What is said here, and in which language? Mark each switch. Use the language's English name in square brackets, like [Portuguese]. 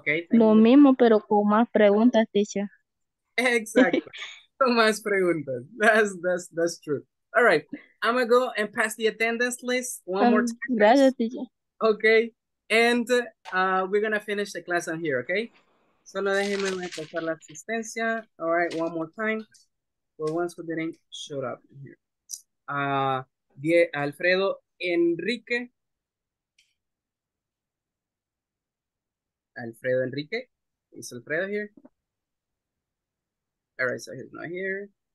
[Spanish] Lo mismo, pero con más preguntas, teacher. Exacto. Con más preguntas. [English] That's true. All right, I'm gonna go and pass the attendance list one more time. [Spanish] Gracias, teacher. [English] Okay, and we're gonna finish the class on here, okay? [Spanish] Solo déjenme pasar la asistencia. [English] All right, one more time. For ones who didn't show up here. Alfredo Enrique. Alfredo Enrique. Is Alfredo here? All right, so he's not here.